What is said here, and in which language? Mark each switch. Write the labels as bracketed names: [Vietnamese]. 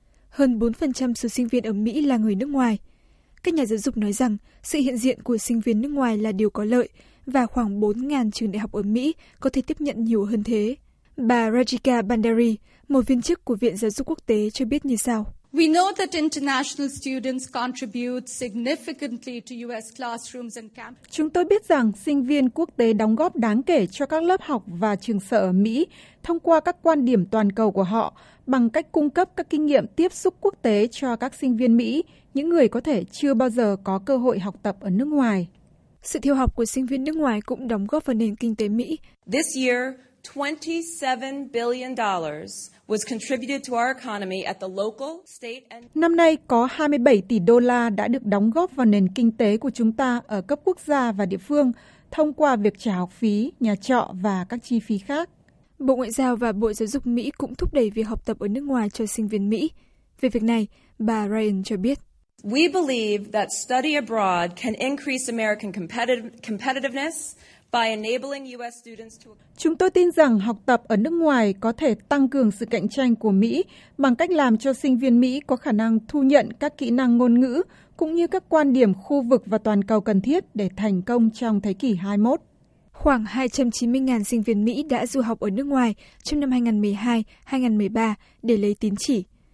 [Vietnamese] Hơn 4% số sinh viên ở Mỹ là người nước ngoài. Các nhà giáo dục nói rằng sự hiện diện của sinh viên nước ngoài là điều có lợi và khoảng 4.000 trường đại học ở Mỹ có thể tiếp nhận nhiều hơn thế. Bà Rajika Bandari, một viên chức của Viện Giáo dục Quốc tế, cho biết như sau. [English] We know that international students contribute significantly to US classrooms and campuses. [Vietnamese] Chúng tôi biết rằng sinh viên quốc tế đóng góp đáng kể cho các lớp học và trường sở ở Mỹ thông qua các quan điểm toàn cầu của họ bằng cách cung cấp các kinh nghiệm tiếp xúc quốc tế cho các sinh viên Mỹ, những người có thể chưa bao giờ có cơ hội học tập ở nước ngoài. Sự theo học của sinh viên nước ngoài cũng đóng góp vào nền kinh tế Mỹ. [English] This year, $27 billion was contributed to our economy at the local, state and. [Vietnamese] Năm nay có 27 tỷ đô la đã được đóng góp vào nền kinh tế của chúng ta ở cấp quốc gia và địa phương thông qua việc trả học phí, nhà trọ và các chi phí khác. Bộ Ngoại giao và Bộ Giáo dục Mỹ cũng thúc đẩy việc học tập ở nước ngoài cho sinh viên Mỹ. Về việc này, bà Ryan cho biết. [English] We believe that study abroad can increase American competitiveness. [Vietnamese] Chúng tôi tin rằng học tập ở nước ngoài có thể tăng cường sự cạnh tranh của Mỹ bằng cách làm cho sinh viên Mỹ có khả năng thu nhận các kỹ năng ngôn ngữ cũng như các quan điểm khu vực và toàn cầu cần thiết để thành công trong thế kỷ 21. Khoảng 290.000 sinh viên Mỹ đã du học ở nước ngoài trong năm 2012-2013 để lấy tín chỉ.